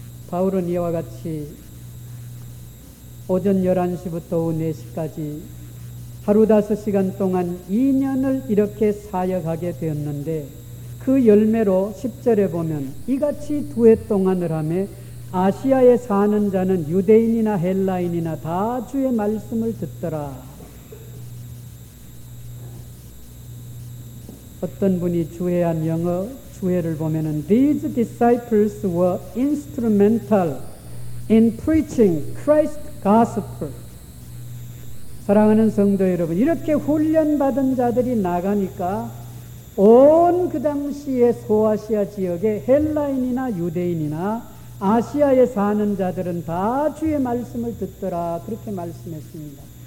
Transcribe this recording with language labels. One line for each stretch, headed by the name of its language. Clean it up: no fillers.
Korean: 바울은 이와 같이 오전 11시부터 오후 4시까지 하루 5시간 동안 2년을 이렇게 사역하게 되었는데 그 열매로 10절에 보면 이같이 두해 동안을 하매 아시아에 사는 자는 유대인이나 헬라인이나 다 주의 말씀을 듣더라. 어떤 분이 주회한 영어 주회를 보면은
English: These disciples were instrumental in preaching Christ's gospel.
Korean: 사랑하는 성도 여러분, 이렇게 훈련받은 자들이 나가니까 온 그 당시에 소아시아 지역에 헬라인이나 유대인이나 아시아에 사는 자들은 다 주의 말씀을 듣더라 그렇게 말씀했습니다.